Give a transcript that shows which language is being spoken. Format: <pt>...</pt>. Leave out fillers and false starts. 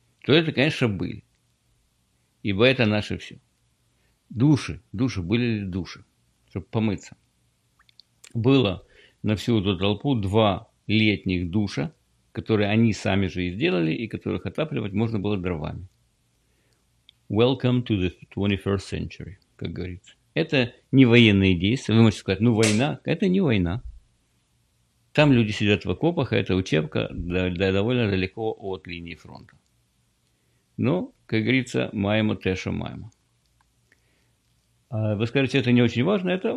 <ru>Туалеты, конечно, были. Ибо это наше все. Души, были ли души, чтобы помыться? Было на всю эту толпу два летних душа, которые они сами же и сделали, и которых отапливать можно было дровами.</ru> <en>Welcome to the 21st century,</en> <ru>как говорится. Это не военные действия. Вы можете сказать, ну война, это не война. Там люди сидят в окопах, а это учебка довольно далеко от линии фронта. Но, как говорится,</ru> <uk>маемо те, шо маемо.</uk> <ru>Вы скажете, это не очень важно.</ru>